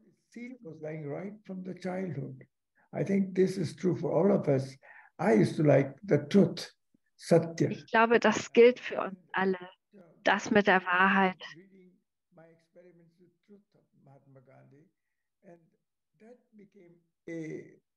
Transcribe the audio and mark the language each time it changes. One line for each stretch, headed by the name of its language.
English: Seed was lying right from the childhood. I think this is true for all of us. I used to like the truth, Satya.
German: Ich glaube, das gilt für uns alle. Das mit der Wahrheit.
English: My experiments with truth of Mahatma Gandhi, and that became a.